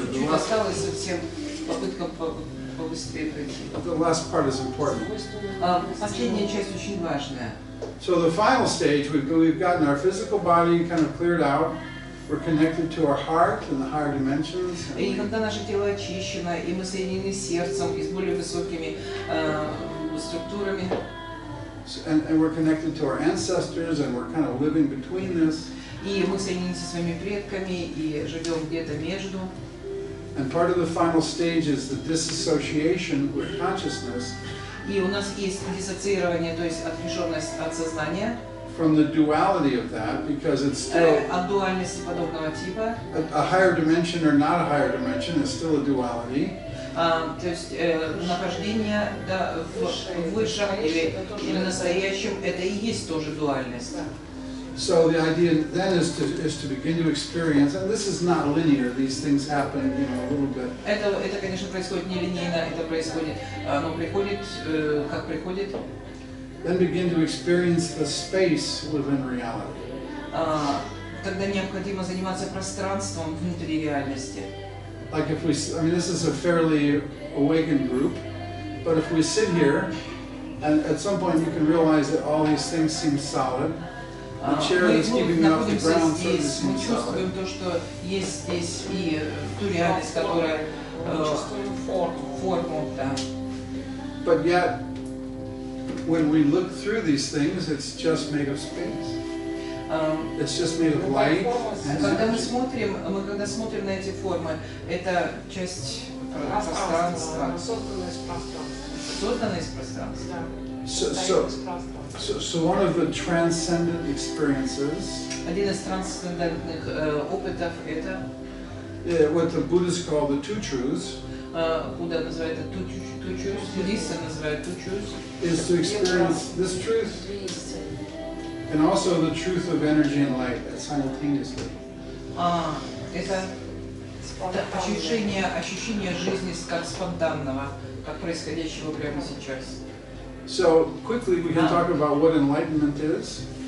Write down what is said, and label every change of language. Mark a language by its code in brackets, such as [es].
[ru] Чуть-чуть осталось совсем. Попытка побыстрее пройти. [en] The last part is important. [ru] Последняя часть очень важная. [en] So the final stage, we've gotten our physical body kind of cleared out. We're connected to our heart and the higher dimensions. [ru] И когда наше тело очищено, и мы соединены с сердцем и с более высокими структурами. [en] And we're connected to our ancestors, and we're kind of living between this. [ru] И мы соединены со своими предками и живем где-то между. [en] And part of the final stage is the disassociation with consciousness. [ru] И у нас есть диссоциирование, то есть отрешенность от сознания. [en] From the duality of that, because it's still [ru] от дуальности подобного типа. [en] A higher dimension or not a higher dimension is still a duality. [ru] То есть нахождение в высшем или настоящем это и есть тоже дуальность. [en] So the idea then is to begin to experience, and this is not linear. These things happen, you know, a little bit. [ru] Это конечно происходит не линейно, это происходит, оно приходит, как приходит. [en] Then begin to experience the space within reality. [ru] Тогда необходимо заниматься пространством внутри реальности. [en] Like if we, I mean, this is a fairly awakened group, but if we sit here, and at some point you can realize that all these things seem solid. The chair that's keeping you off the ground certainly seems solid. [ru] Мы чувствуем то, что есть здесь и ту реальность, которая форму, да. [en] But yet, when we look through these things, it's just made of space. It's just made of light. [ru] Когда мы смотрим на эти формы, это часть пространства. Созданное из пространства. [en] So one of the transcendent experiences. [ru] Один из трансцендентных опытов это. [en] What the Buddhists call the two truths. [ru] Будда называет это [en] two truths. [ru] Буддисты называют two truths. [en] Is to experience this truth. And also the truth of energy and light simultaneously. [ru] Это ощущение жизни как спонтанного, как происходящего прямо сейчас. [en] So quickly we can talk about what enlightenment is.